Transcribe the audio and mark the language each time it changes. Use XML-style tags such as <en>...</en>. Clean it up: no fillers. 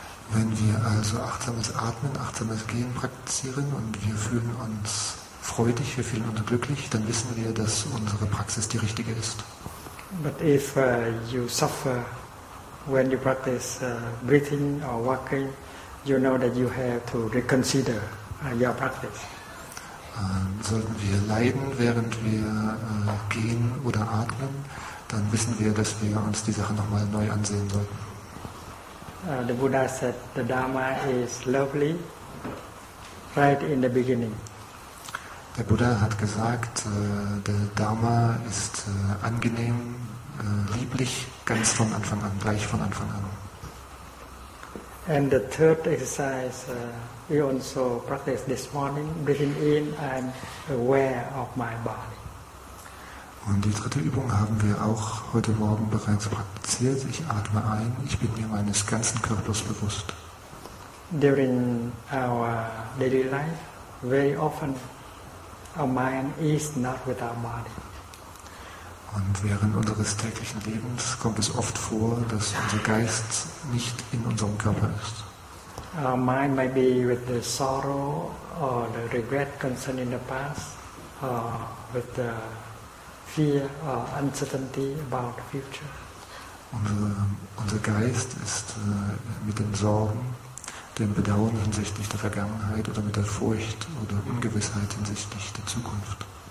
<de>Wenn wir also achtsames Atmen, achtsames Gehen praktizieren und wir fühlen uns freudig, wir fühlen uns glücklich, dann wissen wir, dass unsere Praxis die richtige ist.</de> <en>But if you suffer when you practice breathing or walking, you know that you have to reconsider your practice.</en> <de>Sollten wir leiden, während wir gehen oder atmen, dann wissen wir, dass wir uns die Sache nochmal neu ansehen sollten.</de> <en>The Buddha said the Dharma is lovely right in the beginning.</en> <de>Der Buddha hat gesagt, der Dharma ist angenehm, lieblich, ganz von Anfang an, gleich von Anfang an.</de> <en>And the third exercise we also practiced this morning, breathing in, I'm aware of my body.</en> <de>Und die dritte Übung haben wir auch heute Morgen bereits praktiziert. Ich atme ein, ich bin mir meines ganzen Körpers bewusst.</de> <en>During our daily life, very often our mind is not with our body.</en> <de>Und während unseres täglichen Lebens kommt es oft vor, dass unser Geist nicht in unserem Körper ist.</de> <en>Our mind may be with the sorrow or the regret concern in the past, or with the fear or uncertainty about the future.</en> <de>Unser Geist ist mit den Sorgen, dem Bedauern hinsichtlich der Vergangenheit oder mit der Furcht oder Ungewissheit hinsichtlich der Zukunft.</de>